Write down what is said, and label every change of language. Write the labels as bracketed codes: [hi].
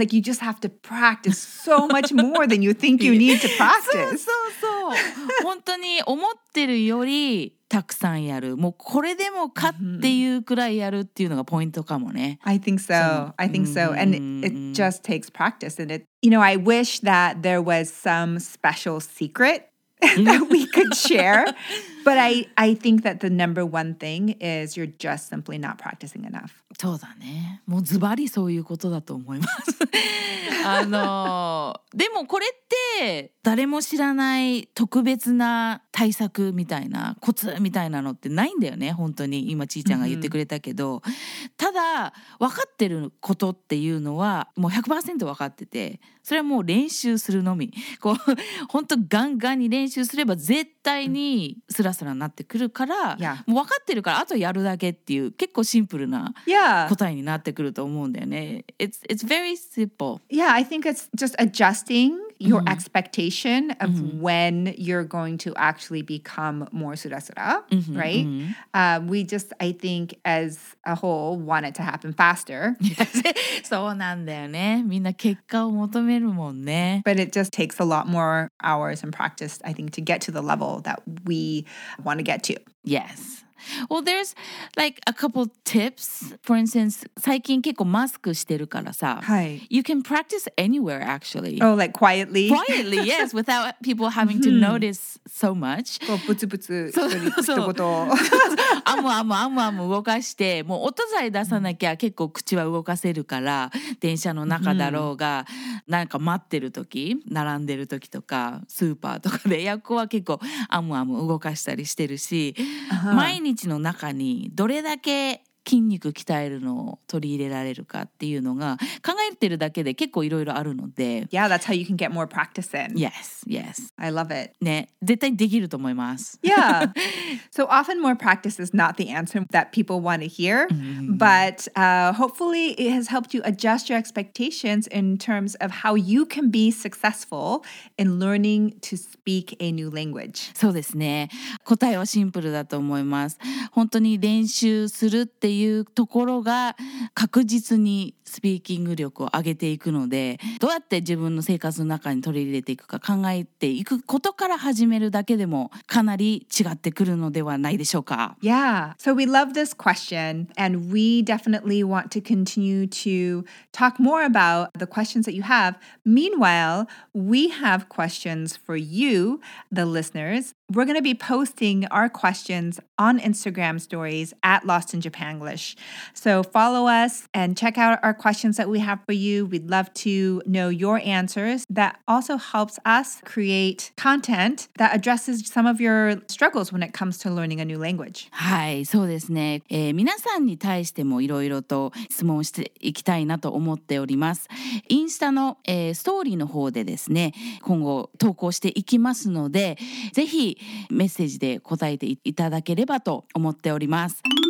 [en] Like you just have to practice so much more than you think you need to practice. [ja] そうそうそう本当に思ってるよりたくさんやるもうこれでもかっていうくらいやるっていうのがポイントかもね。 [en] I think so. I think so. And it just takes practice. And it, you know, I wish that there was some special secret that we could share. But I think that the number one thing is you're just simply not practicing enough. [ja] そうだね。もうズバリそういうことだと思います。でもこれって誰も知らない特別な対策みたいなコツみたいなのってないんだよね。本当に今ちーちゃんが言ってくれたけど、ただ分かってることっていうのはもう 100% 分かってて、それはもう練習するのみ。こう本当ガンガンに練習すれば絶対にスラスラになってくるから、もう分かってるからあとやるだけっていう結構シンプルな。 [en] It's very simple. Yeah, I think it's just adjusting your mm-hmm. expectation of mm-hmm. when you're going to actually become more surasura, mm-hmm. right? Mm-hmm. We just, I think, as a whole, want it to happen faster. [ja] そうなんだよね。みんな結果を求めるもんね。 [en] But it just takes a lot more hours and practice, I think, to get to the level that we want to get to. Yes. Well, there's like a couple tips. For instance, [ja] 最近結構マスクしてるからさ、はい、 [en] You can practice anywhere actually. Oh, like quietly? Quietly, yes, without people having to notice so much. [ja] こうブツブツ一人に一言をアムアムアムアム動かしてもう音さえ出さなきゃ結構口は動かせるから電車の中だろうがなんか待ってる時並んでる時とかスーパーとかで役は結構アムアム動かしたりしてるし、uh-huh. 毎日の中にどれだけ筋肉鍛えるのを取り入れられるかっていうのが考えてるだけで結構いろいろあるので [en] Yeah, that's how you can get more practice in. Yes, yes. I love it. [ja] ね、絶対できると思います。 [en] Yeah. So often more practice is not the answer that people want to hear, but hopefully it has helped you adjust your expectations in terms of how you can be successful in learning to speak a new language. [ja] そうですね。答えはシンプルだと思います。本当に練習するっていうところが確実にスピーキング力を上げていくのでどうやって自分の生活の中に取り入れていくか考えていくことから始めるだけでもかなり違ってくるのではないでしょうか [en] Yeah, so we love this question and we definitely want to continue to talk more about the questions that you have. Meanwhile, we have questions for you, the listeners. We're going to be posting our questions on Instagram stories at Lost in Japanglish. So follow us and check out our questions that we have for you. We'd love to know your answers. That also helps us create content that addresses some of your struggles when it comes to learning a new language. [ja] はい、そうですね。皆さんに対してもいろいろと質問していきたいなと思っております。インスタの、ストーリーの方でですね、今後投稿していきますので、ぜひメッセージで答えていただければと思っております。